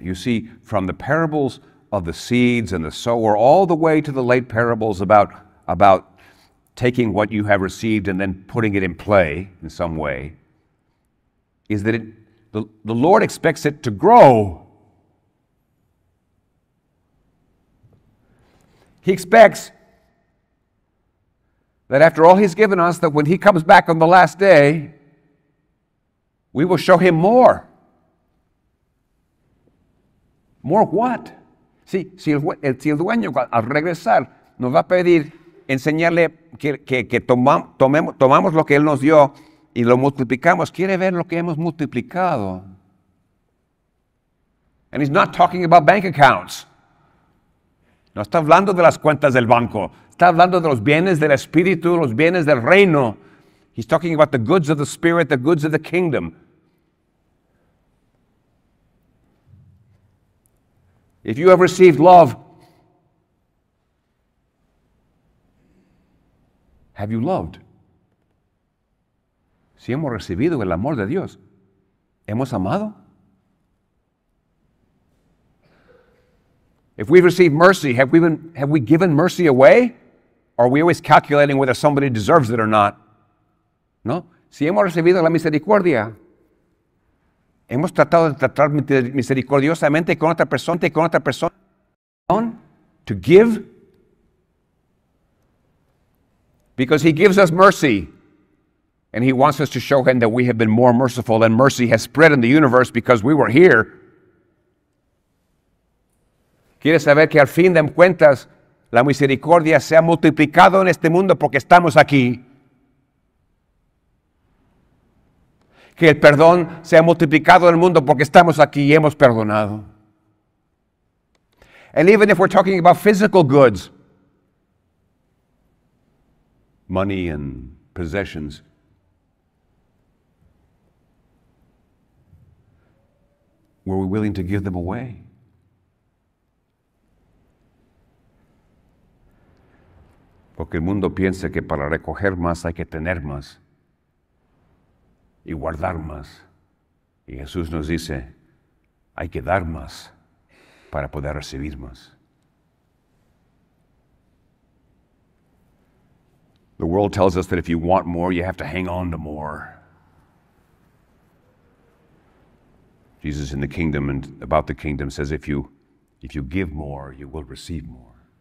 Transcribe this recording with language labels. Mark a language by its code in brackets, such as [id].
[en] You see, from the parables of the seeds and the sower all the way to the late parables about taking what you have received and then putting it in play in some way, is that the Lord expects it to grow. He expects that after all he's given us, that when he comes back on the last day, we will show him more. More what? [es] Si el dueño al regresar nos va a pedir enseñarle que tomamos lo que él nos dio y lo multiplicamos, quiere ver lo que hemos multiplicado. [en] And he's not talking about bank accounts. [es] No está hablando de las cuentas del banco. Está hablando de los bienes del Espíritu, los bienes del reino. [en] He's talking about the goods of the Spirit, the goods of the kingdom. If you have received love, have you loved? [es] Si hemos recibido el amor de Dios, ¿hemos amado? [en] If we've received mercy, have we given mercy away? Are we always calculating whether somebody deserves it or not? No. [es] Si hemos recibido la misericordia, hemos tratado de tratar misericordiosamente con otra persona, [en] to give, because he gives us mercy, and he wants us to show him that we have been more merciful, and mercy has spread in the universe because we were here. [es] Quiere saber que al fin de cuentas, la misericordia se ha multiplicado en este mundo porque estamos aquí. Que el perdón se ha multiplicado en el mundo porque estamos aquí y hemos perdonado. [en] And even if we're talking about physical goods, money and possessions, were we willing to give them away? [es] Porque el mundo piensa que para recoger más hay que tener más y guardar más. Y Jesús nos dice, hay que dar más para poder recibir más. [en] The world tells us that if you want more, you have to hang on to more. Jesus in the kingdom and about the kingdom says, if you give more, you will receive more.